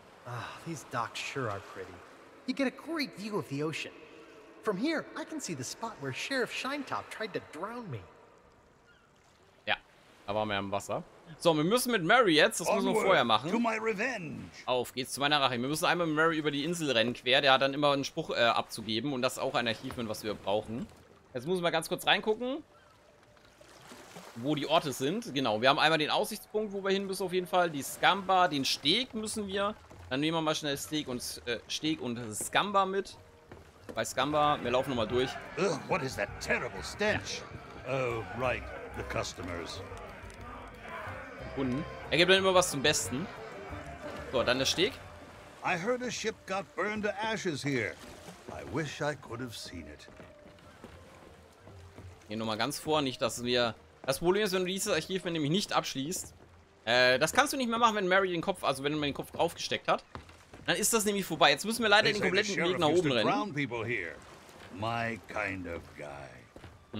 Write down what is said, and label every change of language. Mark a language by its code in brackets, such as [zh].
[en] Ah, these docks sure are pretty. You get a great view of the ocean. From here, I can see the spot where Sheriff Shinetop tried to drown me. [de] Ja, da waren wir im Wasser. So, wir müssen mit Mary jetzt, das müssen wir vorher machen. [en] To my revenge. [de] Auf geht's zu meiner Rache. Wir müssen einmal mit Mary über die Insel rennen quer. Der hat dann immer einen Spruch abzugeben und das ist auch ein Archivment, was wir brauchen. Jetzt muss ich mal ganz kurz reingucken, wo die Orte sind. Genau, wir haben einmal den Aussichtspunkt, wo wir hin müssen auf jeden Fall. Die Scamba, den Steg müssen wir. Dann nehmen wir mal schnell Steg und, Scamba mit. Bei Scamba, wir laufen nochmal durch. [en] Ugh, what is that terrible stench? Oh, right, the customers. [de] Kunden. Er gibt dann immer was zum Besten. So, dann der Steg. [en] I heard a ship got burned to ashes here. I wish I could have seen it. [de] Hier nochmal ganz vor, nicht, dass wir... Das Problem ist, wenn du dieses Archiv nämlich nicht abschließt, Das kannst du nicht mehr machen, wenn Mary den Kopf, also wenn man den Kopf draufgesteckt hat. Dann ist das nämlich vorbei. Jetzt müssen wir leider den kompletten Weg nach oben rennen. [en] My kind of guy.